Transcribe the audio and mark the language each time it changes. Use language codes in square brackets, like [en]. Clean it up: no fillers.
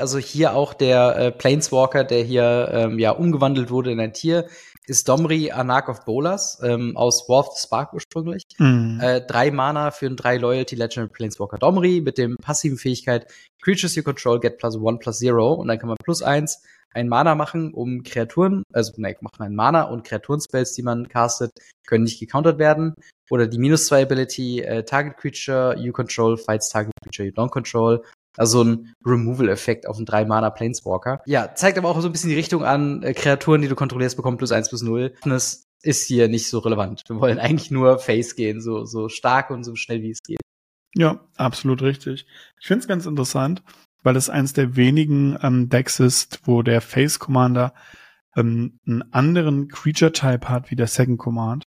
[de] Also hier auch der Planeswalker, der hier umgewandelt wurde in ein Tier, ist Domri Anarch of Bolas aus War of the Spark ursprünglich. Hm. 3 Mana für ein 3 Loyalty Legendary Planeswalker Domri mit dem passiven Fähigkeit [en] Creatures you control get +1/+0 [de] und dann kann man +1 ein Mana machen, um Kreaturen, machen ein Mana und Kreaturenspells, die man castet, können nicht gecountert werden. Oder die [en] -2 Ability, Target Creature you control fights Target Creature you don't control. [de] Also ein Removal-Effekt auf einen 3 Mana Planeswalker. Ja, zeigt aber auch so ein bisschen die Richtung an, Kreaturen, die du kontrollierst, bekommen +1/+0. Das ist hier nicht so relevant. Wir wollen eigentlich nur Face gehen, so stark und so schnell wie es geht. Ja, absolut richtig. Ich find's ganz interessant, weil es eins der wenigen Decks ist, wo der Face Commander einen anderen Creature Type hat wie der Second Command.